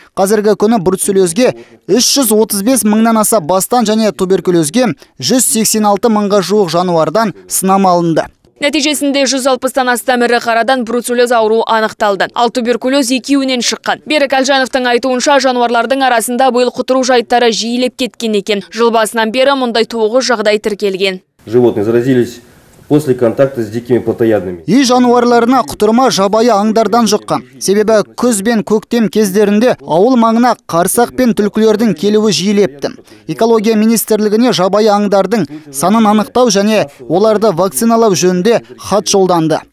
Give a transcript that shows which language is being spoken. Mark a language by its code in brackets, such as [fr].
[kk] Қазіргі күні бруцеллезге 335 мыңнан аса бастан және туберкулезге 186 мыңға жуық жануардан сынама алынды. Нәтижесінде 160-тан астам ірі қарадан бруцеллез ауруы анықталды. Ал туберкулез екеуінен шыққан. Берік Әлжановтың айтуынша, жануарлардың арасында биыл құтыру жайттары жиілеп кеткен екен. Жыл басынан бері мұндай 9 жағдай тіркелген. [ru] Животные заразились после контакта с дикими плотоядными. [kk] И жануарларына құтырма жабайы аңдардан жұққан. Себебі күз бен көктем кездерінде ауыл маңына қарсақ пен түлкілердің келуі жиілепті. Экология министрлігіне жабайы аңдардың санын анықтау және оларды вакциналау жөнінде хат жолданды.